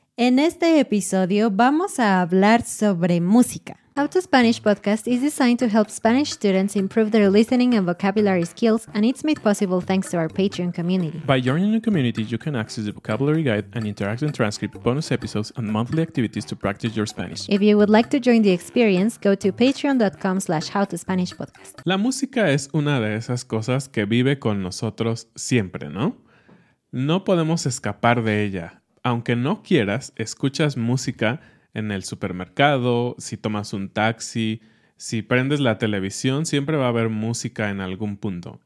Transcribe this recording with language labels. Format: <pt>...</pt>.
<es>En este episodio vamos a hablar sobre música.</es> <en>How to Spanish Podcast is designed to help Spanish students improve their listening and vocabulary skills, and it's made possible thanks to our Patreon community. By joining the community, you can access the vocabulary guide, an interactive transcript, bonus episodes, and monthly activities to practice your Spanish. If you would like to join the experience, go to patreon.com/howtospanishpodcast.</en> <es>La música es una de esas cosas que vive con nosotros siempre, ¿no? No podemos escapar de ella. Aunque no quieras, escuchas música en el supermercado, si tomas un taxi, si prendes la televisión, siempre va a haber música en algún punto.</es>